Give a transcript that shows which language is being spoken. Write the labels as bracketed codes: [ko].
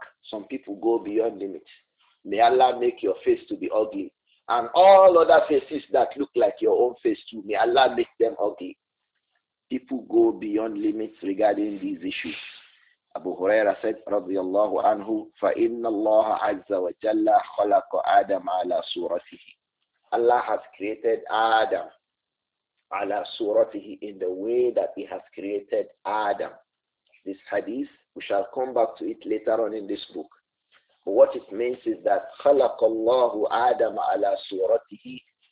[en] Some people go beyond limits. May Allah make your face to be ugly. And all other faces that look like your own face too, may Allah make them ugly. People go beyond limits regarding these issues. Abu Huraira said, [ar] radiyallahu anhu, فَإِنَّ اللَّهَ عَزَّ وَجَلَّ خَلَقَ آدَمَ عَلَى سُورَتِهِ. [en] Allah has created Adam [ar] عَلَى سُورَتِهِ [en] in the way that he has created Adam. This hadith, we shall come back to it later on in this book. But what it means is that [ar] خَلَقَ اللَّهُ آدَمَ عَلَى سُورَتِهِ.